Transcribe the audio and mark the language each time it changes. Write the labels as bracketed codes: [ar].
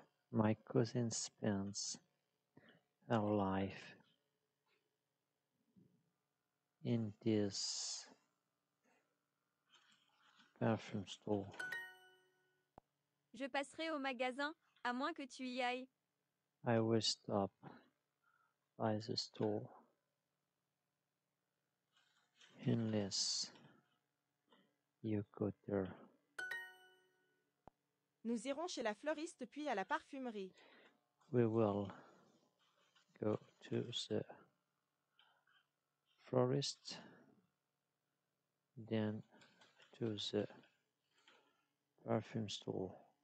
[en] My cousin spends her life in this perfume store. [fr] Je passerai au magasin, à moins que tu y ailles. [en] I will stop by the store. Unless you go there. [fr] Nous irons chez la fleuriste puis à la parfumerie. [en] We will go to the florist, then to the perfume store.